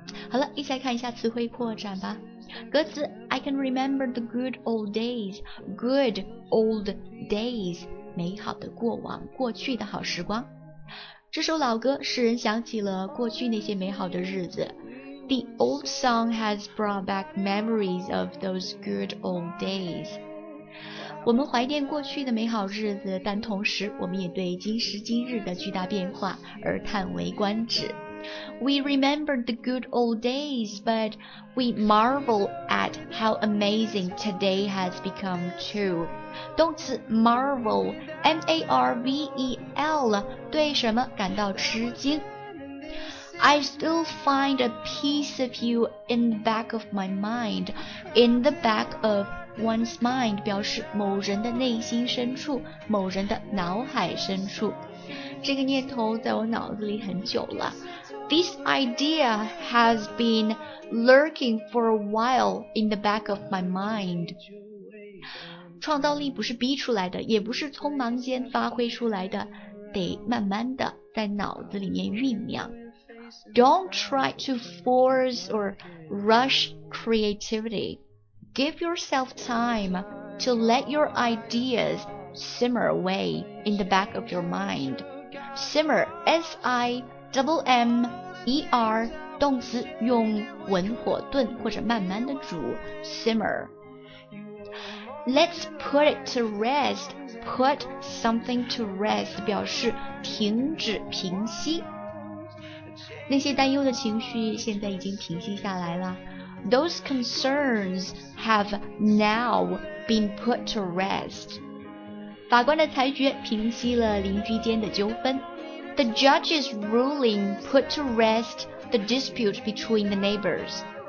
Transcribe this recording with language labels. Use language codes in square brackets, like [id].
[zh] 好了，一起来看一下词汇扩展吧。歌词 [en] I can remember the good old days, [zh] good old days, 美好的过往，过去的好时光。这首老歌使人想起了过去那些美好的日子。 The old song has brought back memories of those good old days。我们怀念过去的美好日子，但同时我们也对今时今日的巨大变化而叹为观止。 We remember the good old days, but we marvel at how amazing today has become too. 动词 marvel, M-A-R-V-E-L, 对什么感到吃惊。 [en] I still find a piece of you in the back of my mind. In the back of one's mind [zh] 表示某人的内心深处，某人的脑海深处。这个念头在我脑子里很久了。 [en] This idea has been lurking for a while in the back of my mind. [zh] 创造力不是逼出来的，也不是匆忙间发挥出来的，得慢慢的在脑子里面酝酿。 [en] Don't try to force or rush creativity. Give yourself time to let your ideas simmer away in the back of your mind. [zh] Simmer, S-I-M-M-E-R, 动词用文火炖或者慢慢的煮 ,simmer. [en] Let's put it to rest, put something to rest, [zh] 表示停止平息。那些担忧的情绪现在已经平息下来了。 [en] Those concerns have now been put to rest. [zh] 法官的裁决平息了邻居间的纠纷。 [en] The judge's ruling put to rest the dispute between the neighbors.